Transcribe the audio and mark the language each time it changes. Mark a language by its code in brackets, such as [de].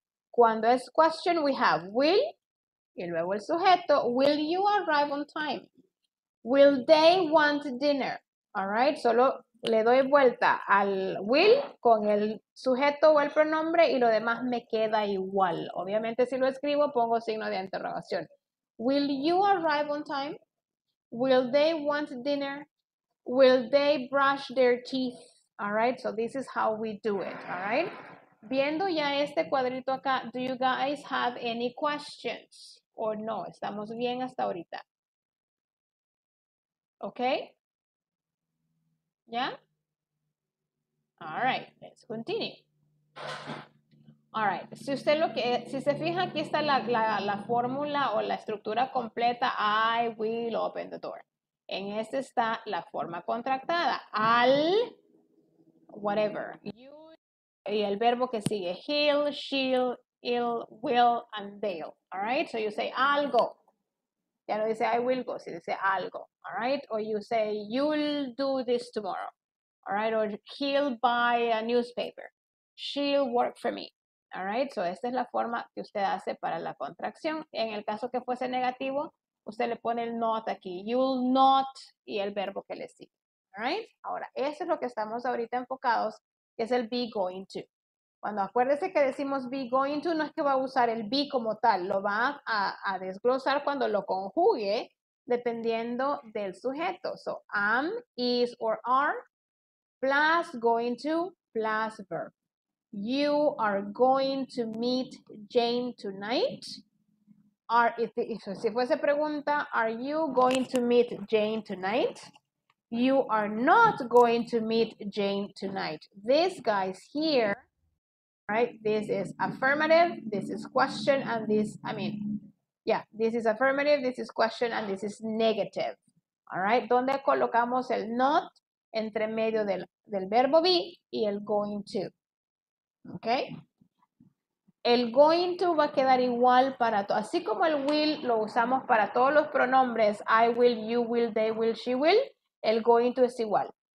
[es] Cuando es [en] question, we have will, [es] y luego el sujeto, [en] will you arrive on time? Will they want dinner? All right, [es] solo le doy vuelta al will con el sujeto o el pronombre y lo demás me queda igual. Obviamente, si lo escribo, pongo signo de interrogación. [en] Will you arrive on time? Will they want dinner? Will they brush their teeth? All right, so this is how we do it. All right, [es] Viendo ya este cuadrito acá, [en] do you guys have any questions or no? [es] ¿Estamos bien hasta ahorita? [en] Okay. Yeah. All right. Let's continue. All right. [es] Si usted lo que, si se fija, aquí está la fórmula o la estructura completa. [en] I will open the door. [es] En este está la forma contractada. Al, whatever. You, y el verbo que sigue. [en] He'll, she'll, ill, will, and they'll. All right. So you say I'll go. [es] Ya no dice [en] I will go, [es] si dice algo, [en] all right? Or you say, you'll do this tomorrow, all right? Or he'll buy a newspaper, she'll work for me, all right? [es] So esta es la forma que usted hace para la contracción. En el caso que fuese negativo, usted le pone el not aquí, [en] you'll not, [es] y el verbo que le sigue, [en] all right? [es] Ahora, eso es lo que estamos ahorita enfocados, que es el be going to. Cuando acuérdese que decimos be going to, no es que va a usar el be como tal, lo va a desglosar cuando lo conjugue dependiendo del sujeto. [en] So, am, is, or are, plus going to, plus verb. You are going to meet Jane tonight. Are, [es] si fuese pregunta, [en] are you going to meet Jane tonight? You are not going to meet Jane tonight. This guy's here. Right, this is affirmative, this is question, and this, I mean, yeah, this is affirmative, this is question, and this is negative. All right, [es] ¿dónde colocamos el not? Entre medio del verbo be y el going to. Okay, el going to va a quedar igual para todo, así como el will lo usamos para todos los pronombres, [en] I will, you will, they will, she will, [es] el going to es igual.